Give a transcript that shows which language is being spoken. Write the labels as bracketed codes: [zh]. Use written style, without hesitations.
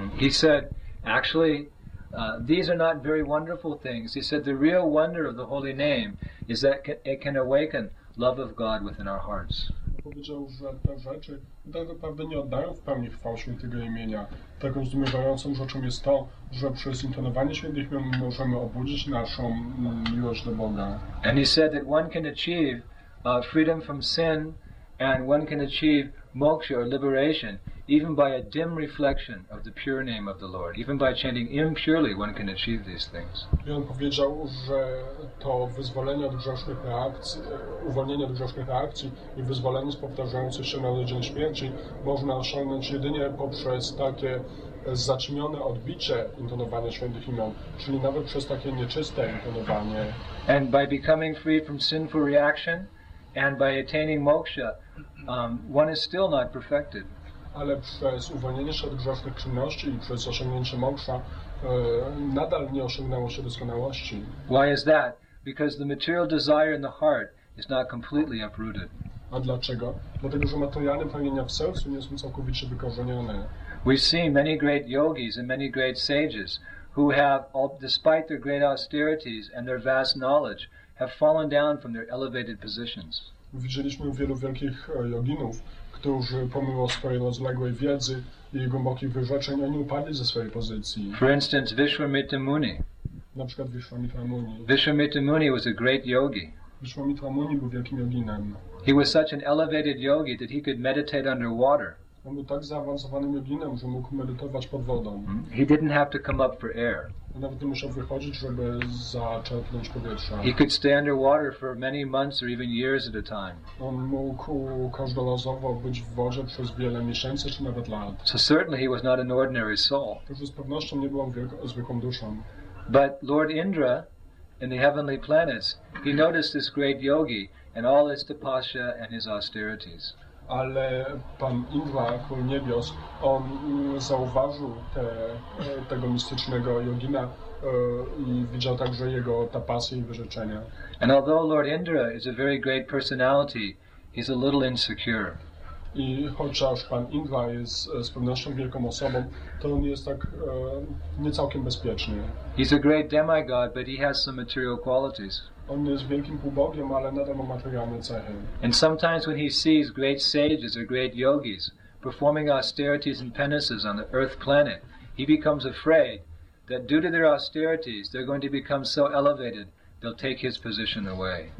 [en] He said, actually, these are not very wonderful things. He said, the real wonder of the holy name is that it can awaken love of God within our hearts. [pl] Powiedział, że te rzeczy tak naprawdę nie oddają w pełni chwał świętego imienia. Taką zdumiewającą rzeczą jest to, że przez intonowanie świętych imion możemy obudzić naszą miłość do Boga. [en] And he said that one can achieve freedom from sin and one can achieve moksha or liberation even by a dim reflection of the pure name of the Lord. Even by chanting impurely, one can achieve these things. [pl] I on powiedział, że to wyzwolenie od grzesznych reakcji, uwolnienie od grzesznych reakcji i wyzwolenie z powtarzających się na dzień śmierci można osiągnąć jedynie poprzez takie zaćmione odbicie intonowania świętych imion, czyli nawet przez takie nieczyste intonowanie. [en] And by becoming free from sinful reaction and by attaining moksha, one is still not perfected. [pl] Ale przez uwolnienie się od grzesznych czynności i przez osiągnięcie moksza nadal nie osiągnęło się doskonałości. [en] Why is that? Because the material desire in the heart is not completely uprooted. [pl] A dlaczego? Dlatego, że materialne pragnienia w sercu nie są całkowicie wykorzenione. [en] We see many great yogis and many great sages who have, despite their great austerities and their vast knowledge, have fallen down from their elevated positions. [pl] Widzieliśmy wielu wielkich joginów, którzy pomimo swojej rozległej wiedzy i głębokich wyrzeczeń, oni upadli ze swojej pozycji. [en] For instance, Vishwamitra Muni. [pl] Na przykład Vishwamitra Muni. [en] Vishwamitra Muni was a great yogi. [pl] Vishwamitra Muni był wielkim joginem. [en] He was such an elevated yogi that he could meditate under water. [pl] On był tak zaawansowanym joginem, że mógł medytować pod wodą. [en] He didn't have to come up for air. [pl] On nawet nie musiał wychodzić, żeby zaczerpnąć powietrza. [en] He could stay under water for many months or even years at a time. [pl] On mógł każdorazowo być w wodzie przez wiele miesięcy czy nawet lat. [en] So certainly he was not an ordinary soul. [pl] To z pewnością nie był zwykłą duszą. [en] But Lord Indra, in the heavenly planets, he noticed this great yogi and all his tapasya and his austerities. [pl] Ale pan Indra, król niebios, on zauważył tego mistycznego jogina i widział także jego tapasy i wyrzeczenia. [en] And although Lord Indra is a very great personality, he's a little insecure. [pl] I chociaż pan Indra jest z pewnością wielką osobą, to on jest tak nie całkiem bezpieczny. [en] He's a great demigod, but he has some material qualities. [pl] On jest wielkim półbogiem, ale nadal ma materialne cechy. [en] And sometimes when he sees great sages or great yogis performing austerities and penances on the earth planet, he becomes afraid that due to their austerities, they're going to become so elevated, they'll take his position away.